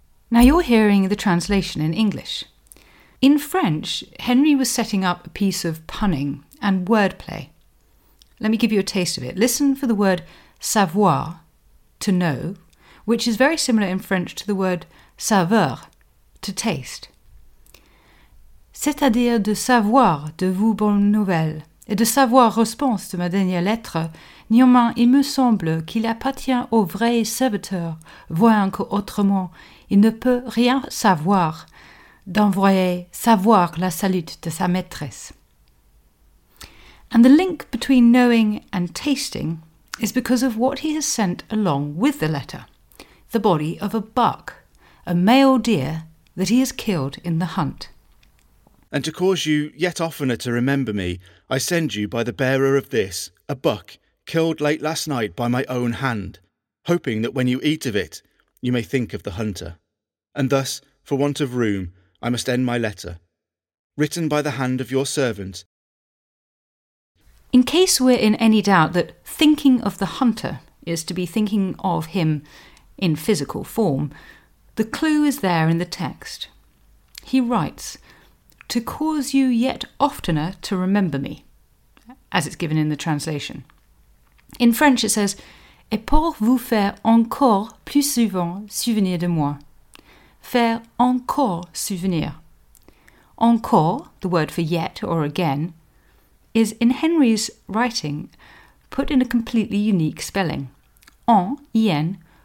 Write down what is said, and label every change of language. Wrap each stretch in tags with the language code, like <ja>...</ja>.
<en>Now you're hearing the translation in English. In French, Henry was setting up a piece of punning and wordplay. Let me give you a taste of it. Listen for the word savoir, to know, which is very similar in French to the word saveur, to taste.</en> <fr>C'est-à-dire de savoir de vos bonnes nouvelles et de savoir réponse de ma dernière lettre, néanmoins il me semble qu'il appartient au vrai serviteur, voyant qu'autrement il ne peut rien savoir. D'envoyer savoir la salute de sa maîtresse.</fr> <en>And the link between knowing and tasting is because of what he has sent along with the letter, the body of a buck, a male deer that he has killed in the hunt. And to cause you yet oftener to remember me, I send you by the bearer of this, a buck, killed late last night by my own hand, hoping that when you eat of it, you may think of the hunter. And thus, for want of room, I must end my letter, written by the hand of your servant. In case we're in any doubt that thinking of the hunter is to be thinking of him in physical form, the clue is there in the text. He writes, to cause you yet oftener to remember me, as it's given in the translation. In French it says,</en> <fr>et pour vous faire encore plus souvent souvenir de moi. Faire encore souvenir.</fr> <en>Encore, the word for yet or again, is in Henry's writing put in a completely unique spelling. En, I-N,</en>